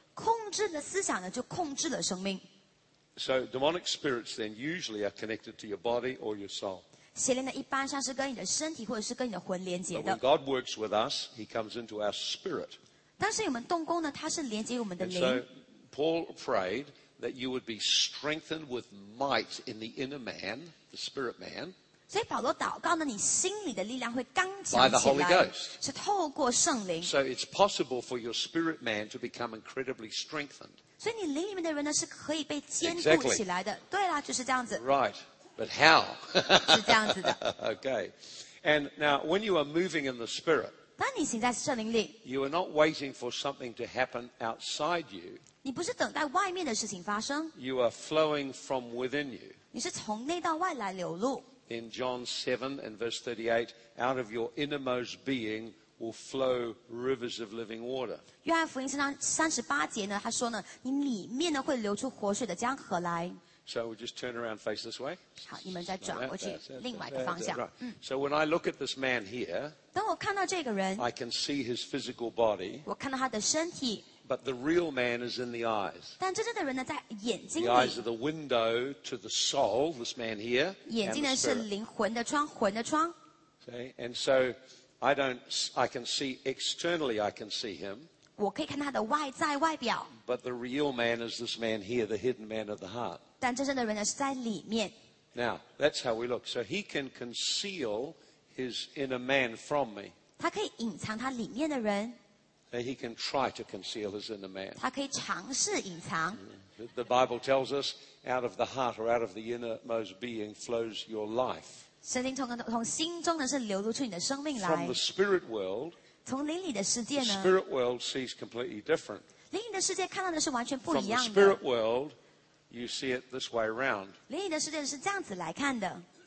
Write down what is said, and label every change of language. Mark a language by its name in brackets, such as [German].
[Chinese] 控制了思想呢, 就控制了生命。 [English] So demonic spirits then usually are connected to your body or your soul. But when God works with us, He comes into our spirit. [Chinese] 当时我们动工呢, 祂是连接我们的灵。 [English] And so Paul prayed that you would be strengthened with might in the inner man, the spirit man. [Chinese] 所以保罗祷告呢, 你心里的力量会刚强起来, [English] by the Holy Ghost. [Chinese] 是透过圣灵。 [English] So it's possible for your spirit man to become incredibly strengthened. [Chinese] 所以你灵里面的人呢, 是可以被坚固起来的。 [English] Exactly. [Chinese] 对啦, 就是这样子。 [English] Right. But how? [Chinese] 是这样子的。 [English] Okay. And now, when you are moving in the Spirit, [Chinese] 当你行在圣灵里, [English] you are not waiting for something to happen outside you. [Chinese] 你不是等待外面的事情发生, [English] you are flowing from within you. [Chinese] 你是从内到外来流露。 [English] In John 7 and verse 38, out of your innermost being will flow rivers of living water. [Chinese] 约翰福音38节呢, 他说呢, 你里面呢会流出活水的江河来。 [English] So we'll just turn around and face this way. [Chinese] 好,你们再转过去另外一个方向。 [English] Right. So when I look at this man here, [Chinese] 当我看到这个人, [English] I can see his physical body, [Chinese] 我看到他的身体, [English] but the real man is in the eyes. [Chinese] 但真正的人呢, 在眼睛里, [English] the eyes are the window to the soul, this man here, [Chinese] 眼睛呢,是灵魂的窗, 魂的窗。 [English] See? And so I can see externally, I can see him, [Chinese] 我可以看到他的外在外表, [English] but the real man is this man here, the hidden man of the heart. [Chinese] 但真正的人呢是在里面。 [English] Now, that's how we look. So he can conceal his inner man from me. [Chinese] 他可以隐藏他里面的人。 [English] And he can try to conceal his inner man. [Chinese] 他可以尝试隐藏。 [English] The Bible tells us, out of the heart or out of the innermost being flows your life. [Chinese] 圣经从心中呢是流露出你的生命来。 [English] From the spirit world, [Chinese] 从灵里的世界呢, [English] the spirit world sees completely different. [Chinese] 灵里的世界看到的是完全不一样的。 [English] From the spirit world, you see it this way around. [Chinese] 灵里的世界是这样子来看的。